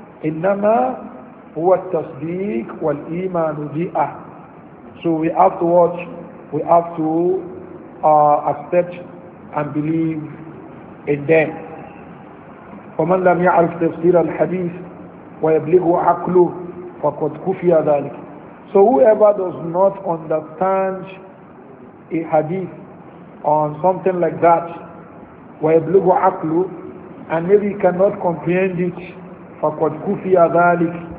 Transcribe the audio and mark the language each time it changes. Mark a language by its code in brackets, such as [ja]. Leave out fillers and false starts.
[ar] إنما هو التصديق والإيمان بها. [en] So we have to watch. We have to accept and believe in them. [ar] ومن لم يعرف تفسير الحديث وَيَبْلِغُ عَقْلُهُ فَقَدْ كُفِيَ ذَلِكَ. [en] So whoever does not understand a hadith on something like that, [ar] وَيَبْلِغُ عَقْلُهُ, [en] and maybe he cannot comprehend it, [ar] فَقَدْ كُفِيَ ذَلِكَ.